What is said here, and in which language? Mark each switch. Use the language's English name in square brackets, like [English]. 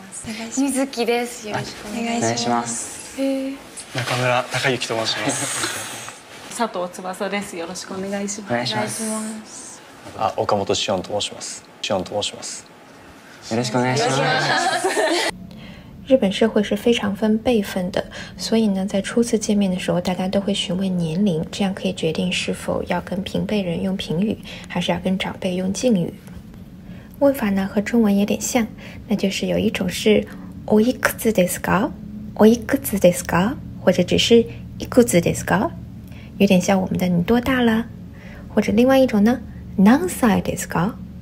[Japanese] します。水木です。よろしくお願いします。中村隆之と申します。佐藤翼です。よろしくお願いします。お願いします。あ、岡本志音と申します。志音と申します。よろしくお願いします。 [Chinese] 日本社会是非常分辈分的，所以呢，在初次见面的时候，大家都会询问年龄，这样可以决定是否要跟平辈人用平语，还是要跟长辈用敬语。问法呢和中文有点像，那就是有一种是 [Japanese] おいくつですか？おいくつですか？ [Chinese] 或者只是 [Japanese] いくつですか？ [Chinese] 有点像我们的你多大了？或者另外一种呢， [Japanese] 何歳ですか？